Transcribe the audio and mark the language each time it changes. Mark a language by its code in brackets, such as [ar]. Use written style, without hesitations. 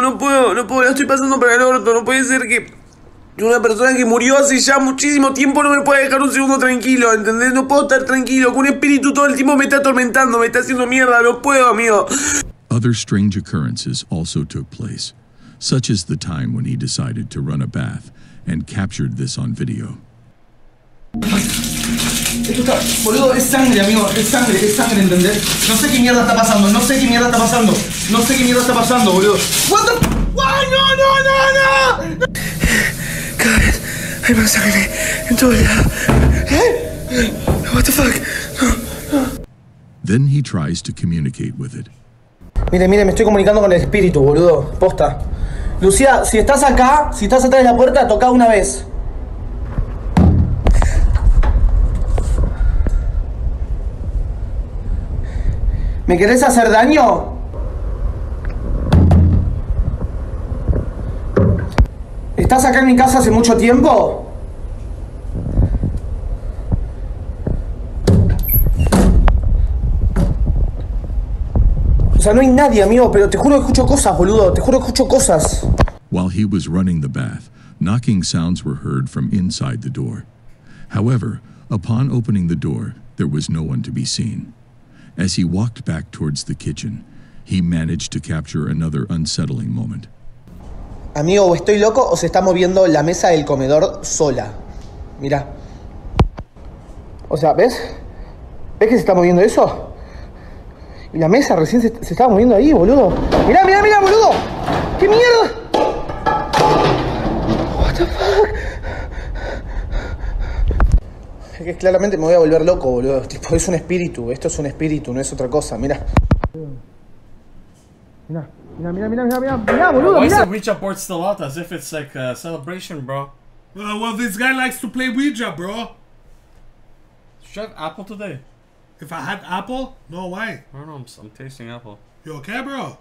[es] No puedo, no puedo. Ya estoy pasando para el orto. No puede ser que... Una persona que murió hace ya muchísimo tiempo no me puede dejar un segundo tranquilo, ¿entendés? No puedo estar tranquilo, con un espíritu todo el tiempo me está atormentando, me está haciendo mierda, no puedo, amigo. [en] Other strange occurrences also took place, such as the time when he decided to run a bath and captured this on video. [es] Esto está, boludo, es sangre, amigo, es sangre, ¿entendés? No sé qué mierda está pasando, no sé qué mierda está pasando, no sé qué mierda está pasando, boludo. [en] What the... What? No, no, no, no, no! [es] God, hay más sangre en todo el lado. ¿Eh? [en] What the fuck? Then he tries to communicate with it. [es] Mire, mire, me estoy comunicando con el espíritu, boludo. Posta. Lucía, si estás acá, si estás atrás de la puerta, toca una vez. ¿Me querés hacer daño? ¿Estás acá en mi casa hace mucho tiempo? O sea, no hay nadie, amigo, pero te juro que escucho cosas, boludo. Te juro que escucho cosas. [en] While he was running the bath, knocking sounds were heard from inside the door. However, upon opening the door, there was no one to be seen. As he walked back towards the kitchen, he managed to capture another unsettling moment. [es] Amigo, o estoy loco o se está moviendo la mesa del comedor sola. Mira. O sea, ¿ves? ¿Ves que se está moviendo eso? Y la mesa recién se estaba moviendo ahí, boludo. Mira, mira, mira, boludo. ¿Qué mierda? [en] What the fuck? [es] Es que claramente me voy a volver loco, boludo. Tipo, es un espíritu, esto es un espíritu, no es otra cosa. Mira. Mira. Mira, boludo, [en] why is the Ouija board still out as if it's like a celebration, bro? Well, this guy likes to play Ouija, bro. Should I have apple today? If I had apple? No, why? I don't know, I'm tasting apple. You okay, bro?